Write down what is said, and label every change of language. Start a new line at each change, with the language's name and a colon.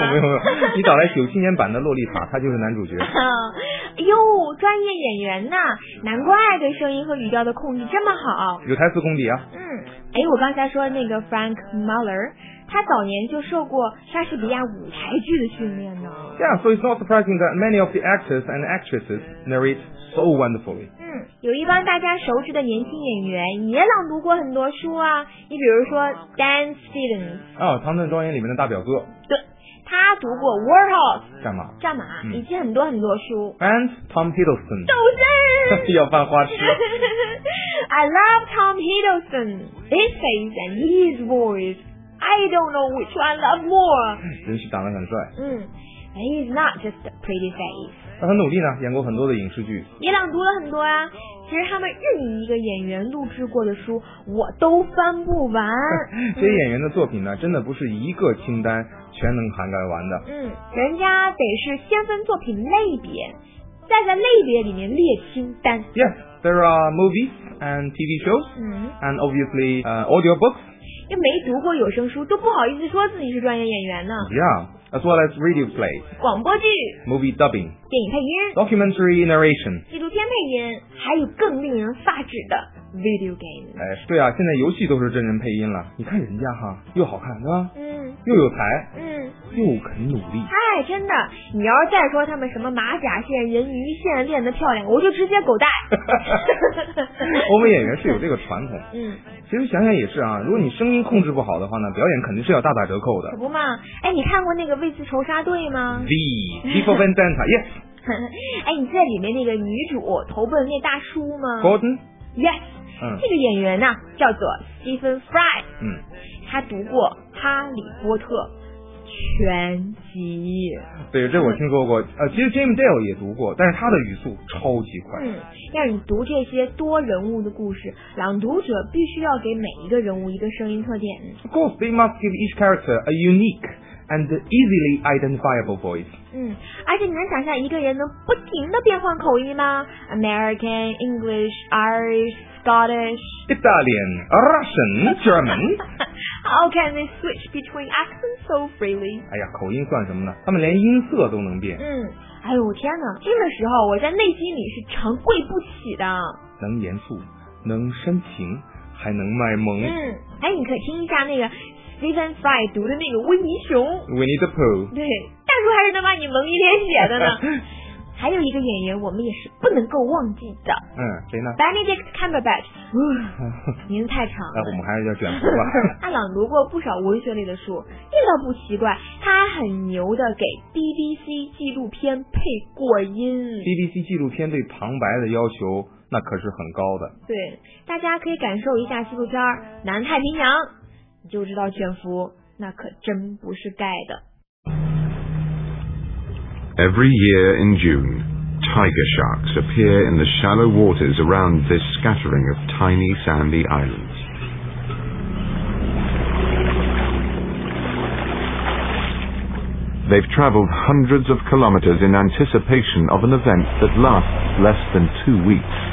Chinese: 没有，你找来1997年版的洛丽塔，他就是男主角。哟，专业演员呐，难怪对声音和语调的控制这么好，有台词功底啊。嗯，哎，我刚才说的那个 Frank Muller， 他早年就受过莎士比亚舞台剧的训练呢。
English: Yeah, so it's not surprising that many of the actors and actresses narrate so wonderfully.
Chinese: 嗯，有一帮大家熟知的年轻演员也朗读过很多书啊，你比如说 Dan Stevens。哦，唐顿庄园里面的大表哥。对。他读过 Warthog 战马，战马、嗯、以及很多很多书
English: ，and Tom Hiddleston
Chinese: 都是要犯花痴。
English: I love Tom Hiddleston, his face and his voice. I don't know which one I love more.
Chinese: 真是长得很帅。
English: 嗯 ，and he's not just a pretty face.
Chinese: 他很努力呢，演过很多的影视剧，也朗读了很多呀、啊。其实他们任意一个演员录制过的书我都翻不完。这些演员的作品呢，真的不是一个清单全能涵盖完的。嗯，人家得是先分作品类别，再在类别里面列清单。
English: Yes, there are movies and TV shows、嗯、 and obviously、audio books.
Chinese: 又没读过有声书都不好意思说自己是专业演员呢。
English: Yeah, as well as radio plays.
Chinese: 广播剧。
English: Movie dubbing.
Chinese: 电影配音。
English: Documentary narration.
Chinese: 纪录片配音。还有更令人发指的 video game。哎，对啊，现在游戏都是真人配音了。你看人家哈，又好看，对吧？嗯。又有才。嗯。又肯努力。哎，真的，你要再说他们什么马甲线、人鱼线练得漂亮，我就直接狗带。欧美演员是有这个传统。嗯。其实想想也是啊，如果你声音控制不好的话呢，表演肯定是要大打折扣的。可不嘛。哎，你看过那个《V 字仇杀队》吗
English: ？V Before Vendetta， yes。
Chinese: 哎，你记得里面那个女主投奔那大叔吗
English: ？Gordon， yes，、嗯、
Chinese: 这个演员呢、啊、叫做 Stephen Fry，嗯，他读过《哈利波特》全集。对，这我听说过。其实 James Dale 也读过，但是他的语速超级快。嗯，要你读这些多人物的故事，朗读者必须要给每一个人物一个声音特点。
English: Of course, they must give each character a unique and easily identifiable voice.
Chinese: 嗯，而且你能想象一个人能不停地变换口音吗 ？
English: American, English, Irish, Scottish, Italian, Russian, German. How can they switch between accents so freely?
Chinese: 哎呀，口音算什么呢？他们连音色都能变。嗯，哎呦天哪！这个时候我在内心里是长跪不起的。能严肃，能深情，还能卖萌。嗯，哎，你可听一下那个。 Stephen Fry 读的那个温尼熊
English: Winnie the Pooh，
Chinese: 对，大叔还是能把你萌一脸血的呢。还有一个演员我们也是不能够忘记的，嗯，谁呢？ Benedict Cumberbatch， 名字太长了。我们还是叫卷福吧。他朗读过不少文学类的书，这倒不奇怪。他很牛的给 BBC 纪录片配过音。 BBC 纪录片对旁白的要求那可是很高的。对，大家可以感受一下纪录片南太平洋，你就知道卷福那可真不是盖的。
English: Every year in June, tiger sharks appear in the shallow waters around this scattering of tiny sandy islands. They've traveled hundreds of kilometers in anticipation of an event that lasts less than 2 weeks.